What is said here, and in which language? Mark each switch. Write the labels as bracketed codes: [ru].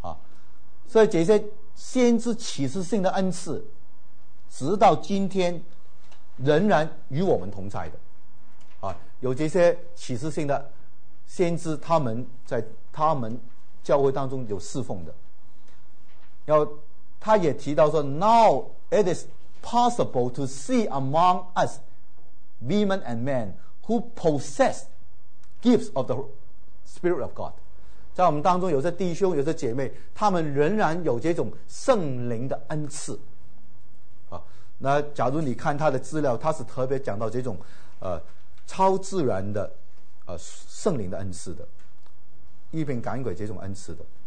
[zh] 啊，所以这些先知启示性的恩赐，直到今天仍然与我们同在的。有这些启示性的先知，他们在他们教会当中有侍奉的。然后他也提到说 [en] ，Now it is possible to see among us women and men who possess gifts of the Spirit of God。 [zh] 在我们当中，有些弟兄，有些姐妹，他们仍然有这种圣灵的恩赐。啊，那假如你看他的资料，他是特别讲到这种，超自然的圣灵的恩赐的，异禀感鬼这种恩赐的。